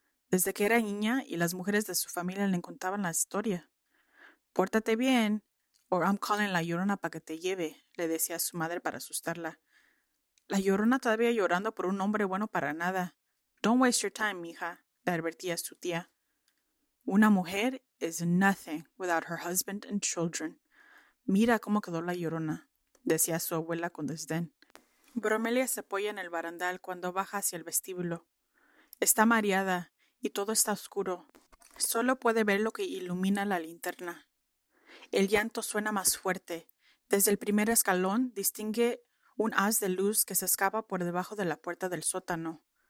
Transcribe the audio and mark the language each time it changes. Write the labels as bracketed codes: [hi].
[es] Desde que era niña y las mujeres de su familia le contaban la historia. «Pórtate bien, [en] or I'm calling [es] la llorona para que te lleve», le decía a su madre para asustarla. La llorona todavía llorando por un hombre bueno para nada. [en] «Don't waste your time, mija», [es] le advertía su tía. «Una mujer [en] is nothing without her husband and children. [es] Mira cómo quedó la llorona», decía su abuela con desdén. Bromelia se apoya en el barandal cuando baja hacia el vestíbulo. Está mareada. Y todo está oscuro. Solo puede ver lo que ilumina la linterna. El llanto suena más fuerte. Desde el primer escalón distingue un haz de luz que se escapa por debajo de la puerta del sótano.